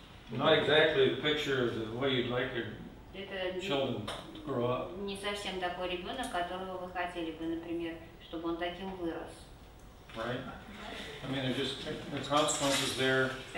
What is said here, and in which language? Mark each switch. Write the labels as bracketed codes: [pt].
[en] Not exactly the picture of the way you'd like your children to grow up. [ru] Не совсем такой ребенок, которого вы хотели бы, например, чтобы он таким вырос. [en] Right. I mean, there's just the consequences there.